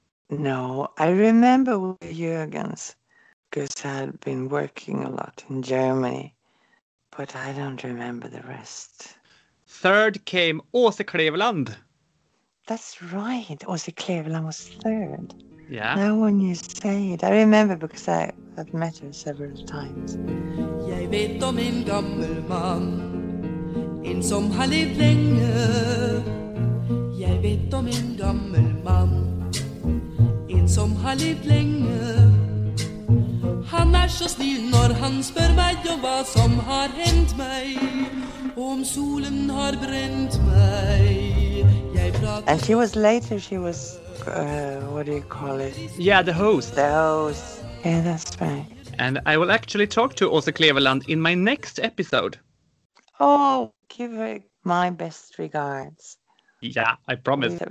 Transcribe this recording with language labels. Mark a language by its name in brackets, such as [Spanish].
[English] No, I remember Jürgens, because I had been working a lot in Germany, but I don't remember the rest. Third came Åse Kleveland. That's right, Åse Kleveland was third. Yeah. Now when you say it, I remember because I had met her several times. [Norwegian] Jeg vet om en gammel mann, en som har levd lenge. Jeg vet om en gammel mann, en som har levd lenge. Han så snill når han spør meg om hva som har hendt meg, om solen har brent meg. [English] And she was later, she was, what do you call it? Yeah, the host. The host. Yeah, that's right. And I will actually talk to Åse Kleveland in my next episode. Oh, give her my best regards. Yeah, I promise.